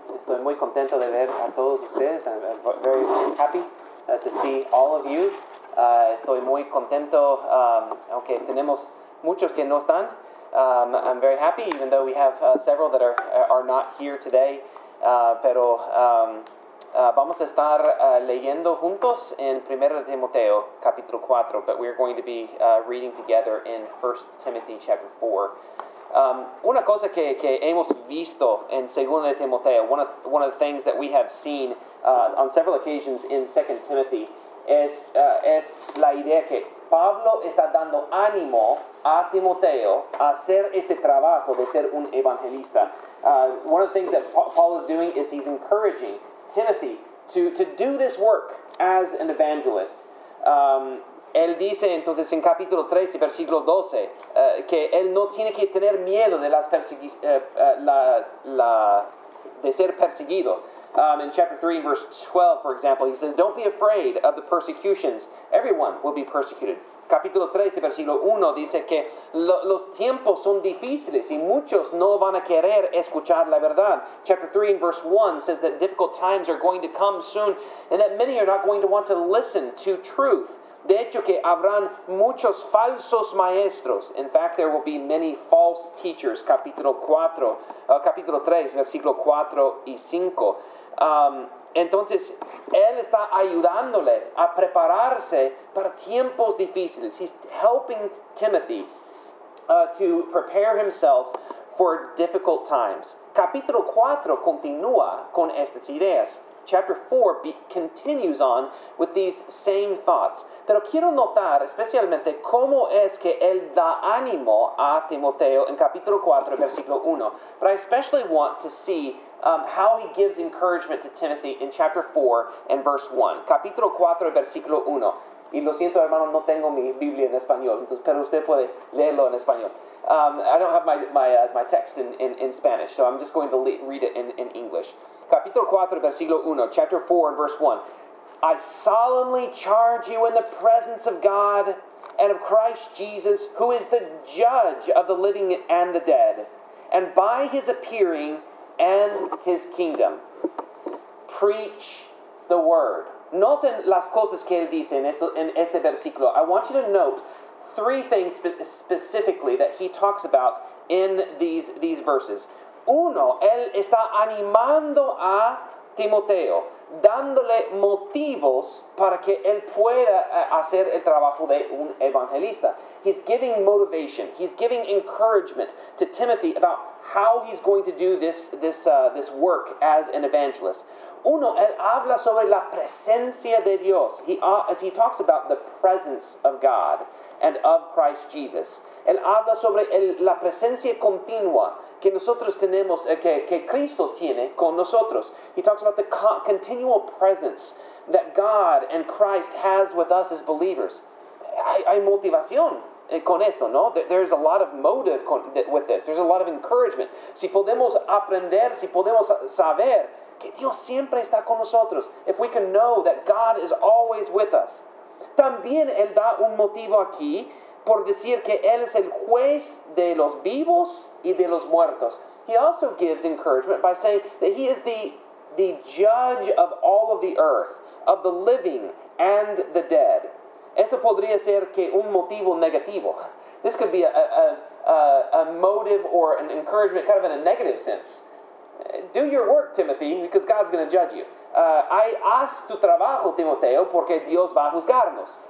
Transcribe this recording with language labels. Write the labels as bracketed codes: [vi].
[es] Estoy muy contento de ver a todos ustedes. [en] I'm very happy to see all of you. [es] Estoy muy contento, aunque tenemos muchos que no están. [en] I'm very happy, even though we have several that are not here today. [es] Vamos a estar leyendo juntos en 1 Timoteo, capítulo 4. [en] But we're going to be reading together in 1 Timothy, chapter 4. [es] Una cosa que hemos visto en 2 Timoteo, [en] one of the things that we have seen on several occasions in 2 Timothy, [es] es la idea que Pablo está dando ánimo a Timoteo a hacer este trabajo de ser un evangelista. [en] One of the things that Paul is doing is he's encouraging Timothy to do this work as an evangelist. [es] Él dice entonces en capítulo 13, versículo 12, que él no tiene que tener miedo de las de ser perseguido. [en] In chapter 3, verse 12, for example, he says, "Don't be afraid of the persecutions. Everyone will be persecuted." [es] Capítulo 13, versículo 1, dice que los tiempos son difíciles y muchos no van a querer escuchar la verdad. [en] Chapter 3, verse 1, says that difficult times are going to come soon and that many are not going to want to listen to truth. [es] De hecho, que habrán muchos falsos maestros. [en] In fact, there will be many false teachers. [es] Capítulo 3, versículo 4 y 5. Entonces, él está ayudándole a prepararse para tiempos difíciles. [en] He's helping Timothy to prepare himself for difficult times. [es] Capítulo 4 continúa con estas ideas. [en] Chapter 4 continues on with these same thoughts. [es] Pero quiero notar especialmente cómo es que él da ánimo a Timoteo en capítulo 4, versículo 1. [en] But I especially want to see how he gives encouragement to Timothy in chapter 4 and verse 1. [es] Capítulo 4, versículo 1. Y lo siento, hermano, no tengo mi Biblia en español, entonces, pero usted puede leerlo en español. [en] I don't have my text in Spanish, so I'm just going to read it in English. [es] Capítulo 4, versículo 1, [en] chapter 4, and verse 1. "I solemnly charge you in the presence of God and of Christ Jesus, who is the judge of the living and the dead, and by his appearing and his kingdom, preach the word." [es] Noten las cosas que él dice en este versículo. [en] I want you to note three things specifically that he talks about in these verses. [es] Uno, él está animando a Timoteo, dándole motivos para que él pueda hacer el trabajo de un evangelista. [en] He's giving motivation. He's giving encouragement to Timothy about how he's going to do this work as an evangelist. [es] Uno, él habla sobre la presencia de Dios. [en] He talks about the presence of God and of Christ Jesus. [es] Él habla sobre la presencia continua que nosotros tenemos, que Cristo tiene con nosotros. [en] He talks about the continual presence that God and Christ has with us as believers. [es] Hay motivación con eso, ¿no? [en] There's a lot of motive with this. There's a lot of encouragement. [es] Si podemos aprender, si podemos saber que Dios siempre está con nosotros, [en] if we can know that God is always with us. [es] También él da un motivo aquí por decir que él es el juez de los vivos y de los muertos. [en] He also gives encouragement by saying that he is the judge of all of the earth, of the living and the dead. [es] Eso podría ser que un motivo negativo. [en] This could be a motive or an encouragement kind of in a negative sense. Do your work, Timothy, because God's going to judge you. [es] Haz tu trabajo, Timoteo, porque Dios va a juzgarnos.